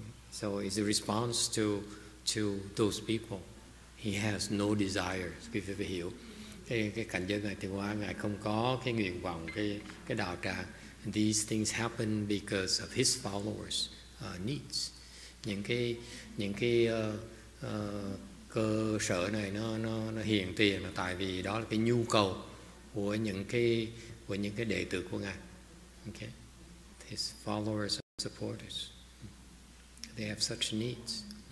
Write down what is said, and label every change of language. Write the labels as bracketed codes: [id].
[en] So it's a response to those people. He has no desires. If you [vi] hiểu, cái cảnh giới này thì qua ngài không có cái nguyện vọng cái đạo tràng. [en] These things happen because of his followers' needs. [vi] Những cái cơ sở này nó hiện tiền là tại vì đó là cái nhu cầu của những cái đệ tử của ngài. [en] Okay. His followers and supporters. They have such needs.